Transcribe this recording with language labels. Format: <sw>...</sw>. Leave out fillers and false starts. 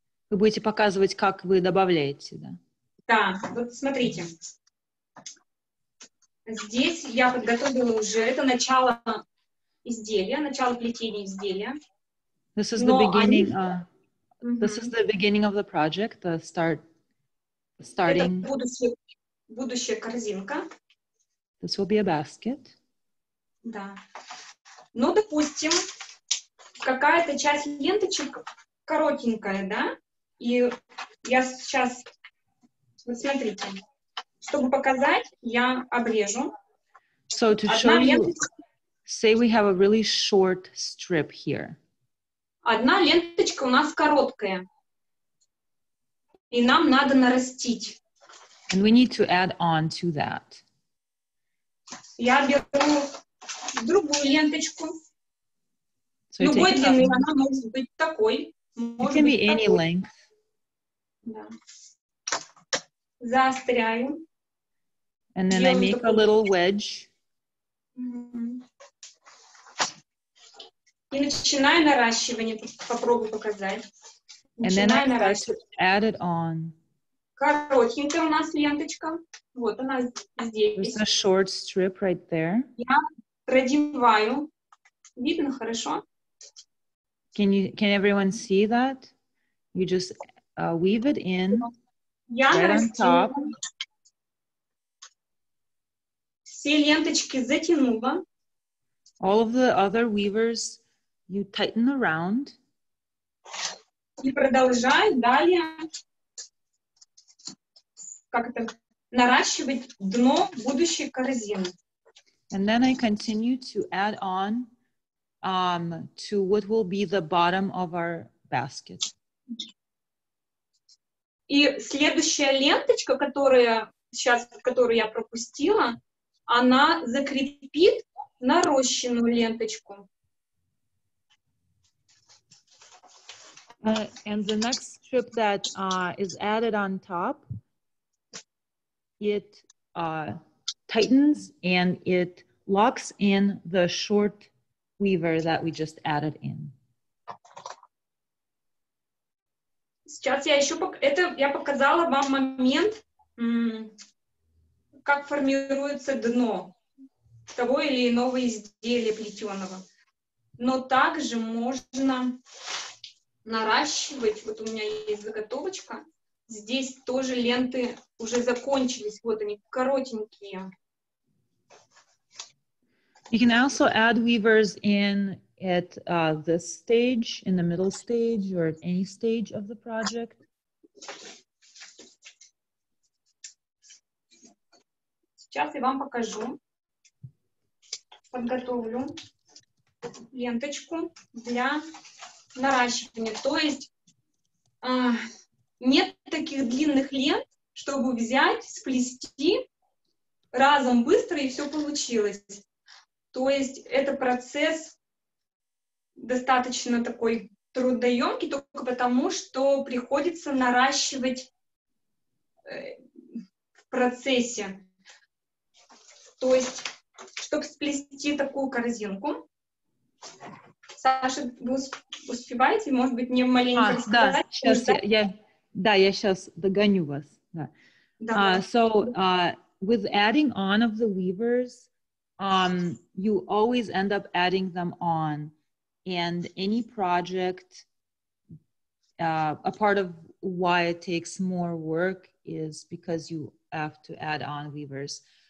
<ru>Вы будете показывать, как вы добавляете, да? Да, вот смотрите. Здесь я подготовила уже, это начало изделия, начало плетения изделия.</ru> <en>This is the beginning, this is the beginning of the project, the starting.</en> <ru>Это будущая корзинка.</ru> <en>This will be a basket.</en> <ru>Да. Ну, допустим, какая-то часть ленточек коротенькая, да? И я сейчас, вот смотрите, чтобы показать, я обрежу.</ru> <en>So to show you, say we have a really short strip here.</en> <ru>Одна ленточка у нас короткая. И нам надо нарастить.</ru> <en>And we need to add on to that.</en> <ru>Я беру другую ленточку. So любой длины, она может быть такой.</ru> <en>It can be any length.</en> <ru>Да. Заостряю.</ru> <en>And then</en> <ru>делаю,</ru> <en>I make a little wedge.</en> <ru>И начинаю наращивание. Попробую показать.</ru> <en>And then I add it on.</en> <ru>Коротенькая у нас ленточка. Вот она здесь.</ru> <en>There's a short strip right there.</en> <ru>Я продеваю. Видно хорошо?</ru> <en>Can everyone see that? You just weave it in right on top.</en> <ru>Все ленточки затянула.</ru> <en>All of the other weavers you tighten around.</en> <ru>И продолжаю далее как-то наращивать дно будущей корзины.</ru> <en>And then I continue to add on to what will be the bottom of our basket.</en> <ru>И следующая ленточка, которая сейчас, которую я пропустила, она закрепит нарощенную ленточку.</ru> <en>And the next strip that is added on top, it tightens and it locks in the short weaver that we just added in.</en> <ru>Сейчас я еще я показала вам момент, как формируется дно того или иного изделия плетеного. Но также можно наращивать, вот у меня есть заготовочка, здесь тоже ленты уже закончились, вот они коротенькие.</ru> <en>You can also add weavers in at this stage, in the middle stage, or at any stage of the project.</en> <ru>Сейчас я вам покажу, подготовлю ленточку для наращивания. То есть нет таких длинных лент, чтобы взять, сплести разом быстро, и все получилось. То есть это процесс достаточно такой трудоемкий, только потому, что приходится наращивать в процессе. То есть, чтобы сплести такую корзинку, Саша, вы успеваете, может быть, не маленько рассказать? Да, сейчас я сейчас догоню вас. Да.</ru> <en>With adding on of the weavers, you always end up adding them on. And any project, a part of why it takes more work is because you have to add on weavers.</en>